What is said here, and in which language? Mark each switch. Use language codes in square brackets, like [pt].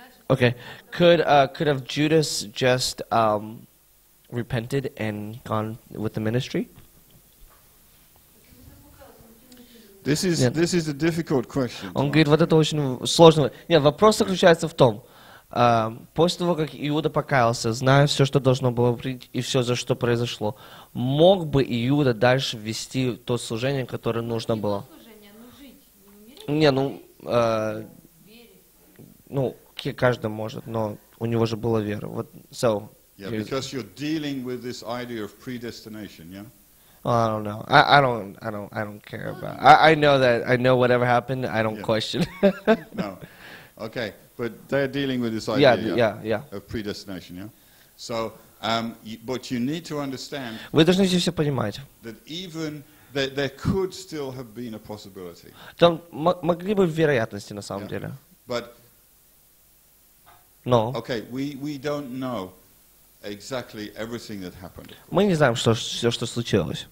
[en] Okay, could have Judas just repented and gone with the ministry? This is a difficult question. [ru] Он говорит, вот это очень сложно. Нет, вопрос заключается в том, после того, как Иуда покаялся, зная все, что должно было быть, и все, за что произошло, мог бы Иуда дальше вести то служение, которое нужно было? Служение, ну жить. Не, ну, каждый может, но у него же была вера. Вот, so. [en] Yeah, because you're dealing with this idea of predestination, yeah? Well, I don't know. I don't care about. I know whatever happened. I don't question. No. Okay. But they're dealing with this idea of predestination. Yeah. So, but you need to understand. [ru] Вы должны здесь все понимать. [en] That even that there could still have been a possibility. [ru] Там могли бы вероятности на самом деле. [en] But. No. Okay. We don't know. Exactly everything that happened. [ru] Мы не знаем, что случилось.